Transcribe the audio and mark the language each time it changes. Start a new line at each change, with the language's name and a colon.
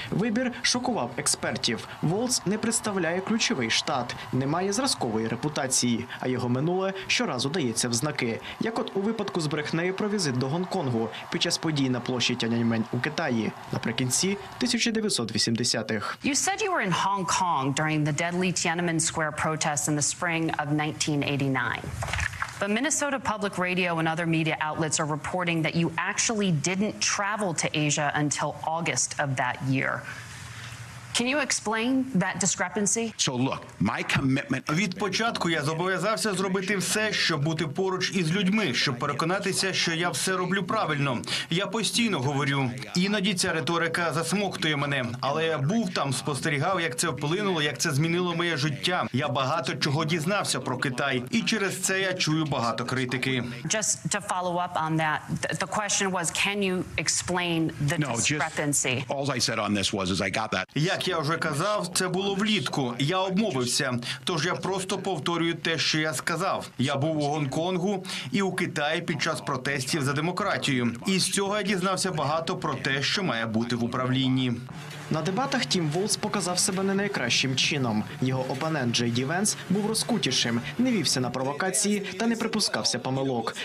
Ukrainian: Вибір шокував експертів. Волц не представляє ключовий штат, не має зразкової репутації, а його минуле щоразу дається в знаки. Як от у випадку з брехнею про візит до Гонконгу під час подій на площі Тяньаньмень у Китаї наприкінці 1980-х.
English: You said you were in Hong Kong during the deadly Tiananmen Square protests in the spring of 1989. But Minnesota Public Radio and other media outlets are reporting that you actually didn't travel to Asia until August of that year. Can you explain that discrepancy? So look, my commitment.
Ukrainian: Від початку я зобов'язався зробити все, щоб бути поруч із людьми, щоб переконатися, що я все роблю правильно. Я постійно говорю. Іноді ця риторика засмоктує мене, але я був там, спостерігав, як це вплинуло, як це змінило моє життя. Я багато чого дізнався про Китай, і через це я чую багато критики.
English: Just to follow up on that, the question was, can you explain the discrepancy? No, just, all I said on this was is I got that.
Ukrainian: Як я вже казав, це було влітку. Я обмовився. Тож я просто повторюю те, що я сказав. Я був у Гонконгу і у Китаї під час протестів за демократію. І з цього я дізнався багато про те, що має бути в управлінні. На дебатах Тім Волц показав себе не найкращим чином. Його опонент Джей Ді Венс був розкутішим, не вівся на провокації та не припускався помилок.